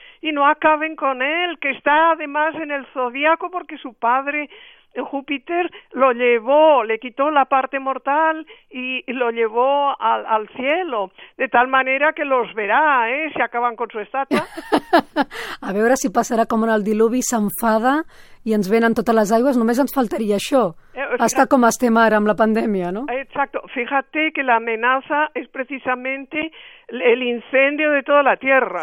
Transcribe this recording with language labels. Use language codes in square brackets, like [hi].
[es] Y no acaben con él, que está además en el zodiaco porque su padre, Júpiter, lo llevó, le quitó la parte mortal y lo llevó al cielo. De tal manera que los verá, si acaban con su estatua. [ca] A veure si passarà com en el diluvi, s'enfada i ens venen totes les aigües. Només ens faltaria això. Hasta com estem ara amb la pandèmia, no? [es] Exacto. Fíjate que la amenaza es precisamente el incendio de toda la tierra,